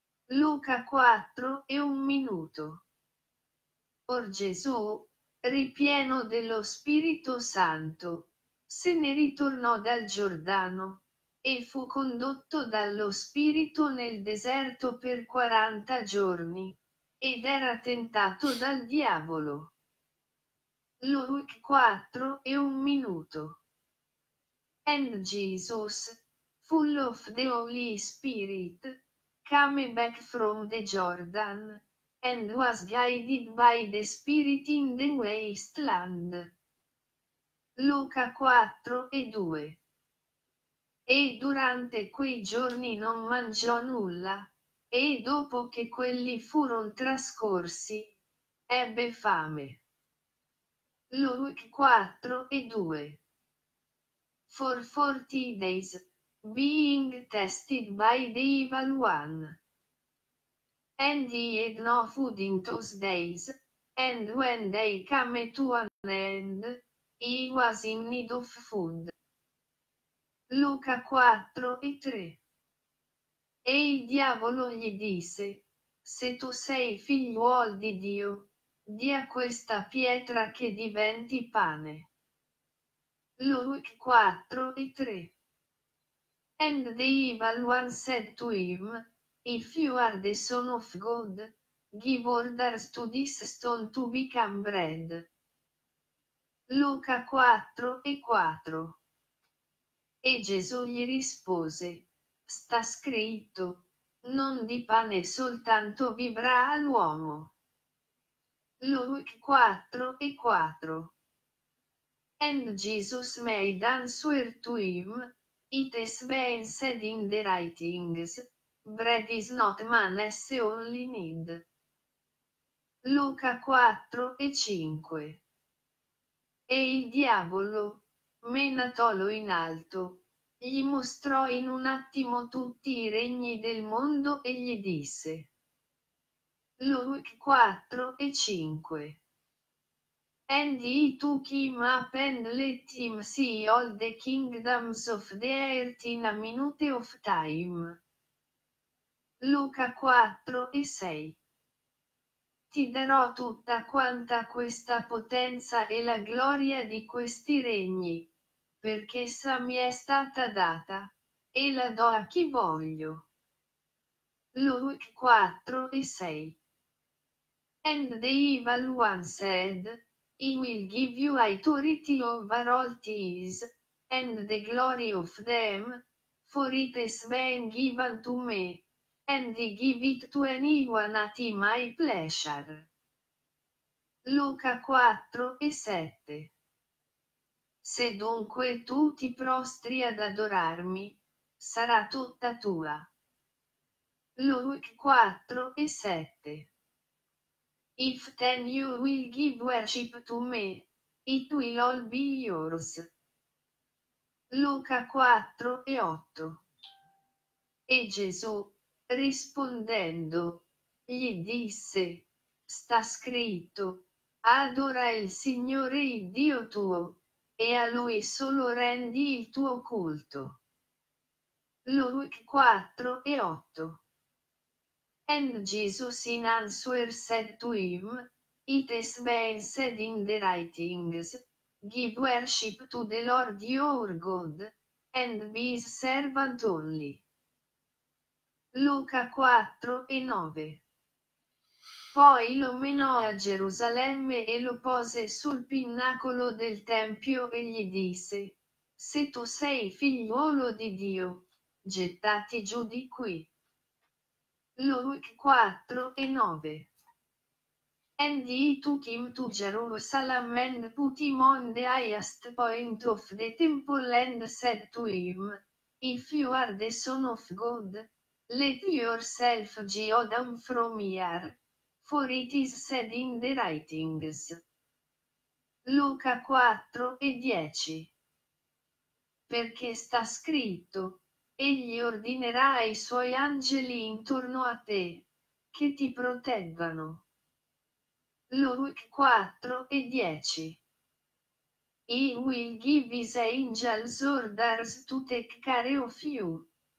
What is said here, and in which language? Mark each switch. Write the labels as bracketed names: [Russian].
[Italian] Luca 4 e un minuto or Gesù ripieno dello Spirito Santo se ne ritornò dal Giordano e fu condotto dallo Spirito nel deserto per 40 giorni, ed era tentato dal diavolo. Luke 4 e un minuto. [English] And Jesus, full of the Holy Spirit, came back from the Jordan, and was guided by the Spirit in the wasteland. [Italian] Luca 4 e 2. E durante quei giorni non mangiò nulla, e dopo che quelli furono trascorsi, ebbe fame. [English] Luke 4 e 2 For 40 days, being tested by the evil one. And he had no food in those days, and when they came to an end, he was in need of food. [Italian] Luca 4 e 3 E il diavolo gli disse, se tu sei figliuol di Dio, di a questa pietra che diventi pane. [English] Luke 4 e 3 And the evil one said to him, if you are the son of God, give orders to this stone to become bread. [Italian] Luca 4 e 4 E Gesù gli rispose, sta scritto, non di pane soltanto vivrà l'uomo. [English] Luke 4 e 4 And Jesus made answer to him, it has been said in the writings, bread is not man's only need. [Italian] Luca 4 e 5 E il diavolo, menatolo in alto, gli mostrò in un attimo tutti i regni del mondo e gli disse. [English] Luke 4 e 5 And he took him up and let him see all the kingdoms of the earth in a minute of time. [Italian] Luca 4 e 6 Ti darò tutta quanta questa potenza e la gloria di questi regni. Perché essa mi è stata data, e la do a chi voglio. [English] Luke 4 e 6 And the evil one said, He will give you authority over all these, and the glory of them, for it has been given to me, And give it to anyone at my pleasure. [Italian] Luca 4 e 7. Se dunque tu ti prostri ad adorarmi, sarà tutta tua. [English] Luke 4 e 7. If then you will give worship to me, it will all be yours. [Italian] Luca 4 e 8. E Gesù, rispondendo, gli disse, sta scritto, adora il Signore il Dio tuo, e a Lui solo rendi il tuo culto. [English] Luke 4 e 8. And Jesus in answer said to him, it is been said in the writings, give worship to the Lord your God, and be his servant only. [Italian] Luca 4 e 9. Poi lo menò a Gerusalemme e lo pose sul pinnacolo del Tempio e gli disse, se tu sei figliuolo di Dio, gettati giù di qui. [English] Luke 4 e 9. And he took him to Jerusalem and put him on the highest point of the temple and said to him, if you are the son of God, let yourself go down from here, for it is said in the writings. [Italian] Luca 4 e 10. Perché sta scritto, egli ordinerà ai suoi angeli intorno a te, che ti proteggano. [English] Luke 4 e 10. He will give his angels orders to take care of you.